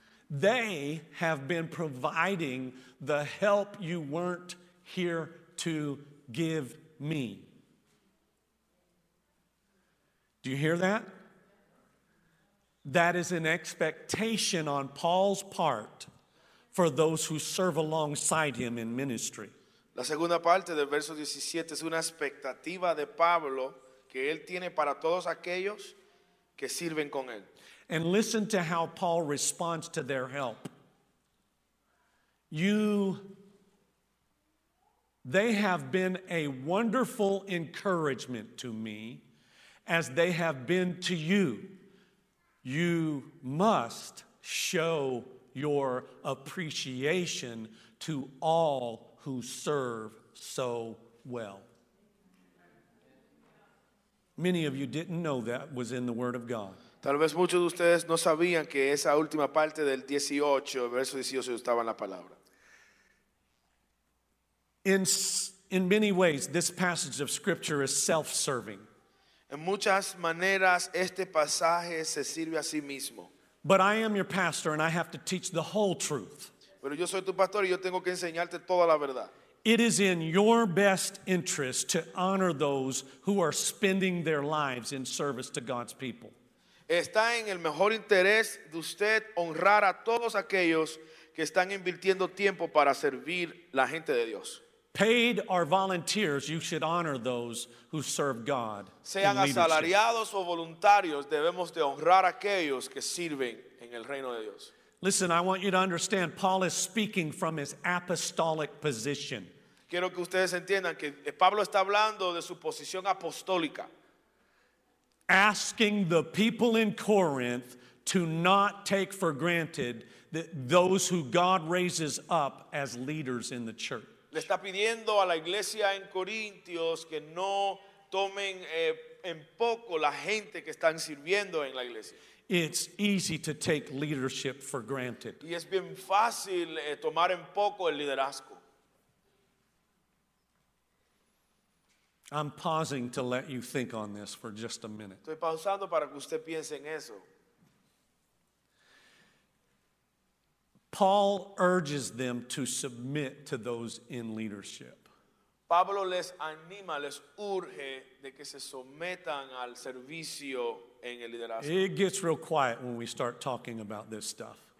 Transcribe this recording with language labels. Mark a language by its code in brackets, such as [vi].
[en] They have been providing the help you weren't here to give me. Do you hear that? That is an expectation on Paul's part for those who serve alongside him in ministry. [es] La segunda parte del verso 17 es una expectativa de Pablo que él tiene para todos aquellos que sirven con él. [en] And listen to how Paul responds to their help. They have been a wonderful encouragement to me, as they have been to you. You must show your appreciation to all who serve so well. Many of you didn't know that was in the Word of God. [es] Tal vez muchos de ustedes no sabían que esa última parte del 18, verso 18, estaba en la palabra. [en] In many ways, this passage of Scripture is self-serving. [es] En muchas maneras, este pasaje se sirve a sí mismo. [en] But I am your pastor, and I have to teach the whole truth. [es] Pero yo soy tu pastor, y yo tengo que enseñarte toda la verdad. [en] It is in your best interest to honor those who are spending their lives in service to God's people. [es] Está en el mejor interés de usted honrar a todos aquellos que están invirtiendo tiempo para servir la gente de Dios. [en] Paid or volunteers, you should honor those who serve God. [es] Sean asalariados o voluntarios, debemos de honrar a aquellos que sirven en el reino de Dios. [en] Listen, I want you to understand, Paul is speaking from his apostolic position. [es] Quiero que ustedes entiendan que Pablo está hablando de su posición apostólica. [en] Asking the people in Corinth to not take for granted that those who God raises up as leaders in the church. [es] Le está pidiendo a la iglesia en Corintios que no tomen en poco la gente que están sirviendo en la iglesia. [en] It's easy to take leadership for granted. [es] Y es bien fácil tomar en poco el liderazgo. [en] I'm pausing to let you think on this for just a minute. [es] Estoy pausando para que usted piense en eso. [en] Paul urges them to submit to those in leadership. [es] Pablo les anima, les urge de que se sometan al servicio en el liderazgo. [en] It gets real quiet when we start talking about this stuff.